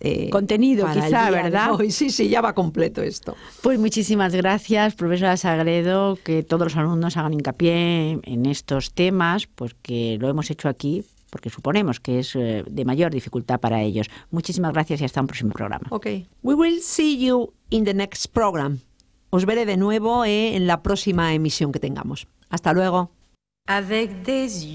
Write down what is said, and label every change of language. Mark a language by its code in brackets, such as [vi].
[es] contenido para quizá, el día, ¿verdad? Hoy. Sí, ya va completo esto. Pues muchísimas gracias, profesora Sagredo, que todos los alumnos hagan hincapié en estos temas, porque lo hemos hecho aquí, porque suponemos que es de mayor dificultad para ellos. Muchísimas gracias y hasta un próximo programa. Ok. [en] We will see you in the next program. [es] Os veré de nuevo en la próxima emisión que tengamos. Hasta luego. [fr] Avec des yeux.